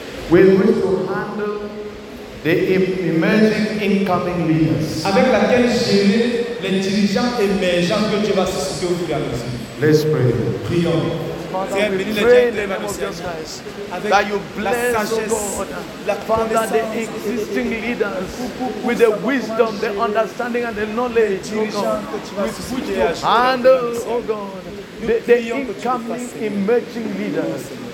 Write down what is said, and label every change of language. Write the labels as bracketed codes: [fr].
[en] with which to handle the emerging incoming leaders, [fr] avec laquelle gérer les dirigeants émergents que Dieu va susciter au fur et à mesure. [en] Let's pray. Father, we pray in the name of Jesus Christ that you bless, oh God, Father, the existing leaders with the wisdom, the understanding, and the knowledge, oh God, with which you handle, oh God, the incoming, emerging leaders.